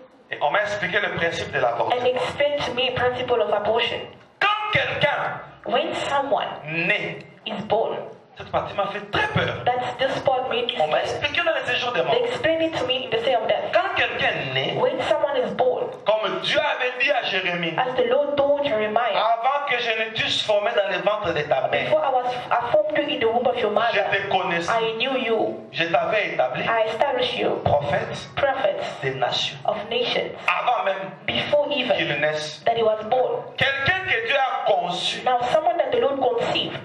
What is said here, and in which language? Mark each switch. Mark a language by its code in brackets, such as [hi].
[fr] Et on m'a expliqué le principe de l'avortement. [en] And explained to me the principle of abortion. [fr] Quand quelqu'un. [en] When someone. [fr] Naît. [en] Is born. [fr] Cette partie m'a fait très peur. [en] That's this part made me. [fr] On m'a expliqué dans le séjour des morts. [en] They explained it to me in the day of death. [fr] Quand quelqu'un naît. [en] When someone is born. [fr] Comme Dieu avait dit à Jérémie. [en] As the Lord told Jeremiah. [fr] Avant que je ne t'eusse formé dans le ventre de ta mère. [en] Before I formed you in the womb of your mother. [fr] Je te connaissais. [en] I knew you. [fr] Je t'avais établi. [en] I established you. [fr] Prophète. [en] Prophet. [fr] Des nations. [en] Of nations. [fr] Avant même. [en] Before even. [fr] Qu'il naisse. [en] That he was born. [fr] Quelqu'un que Dieu a conçu. [en] Now someone that the Lord conceived.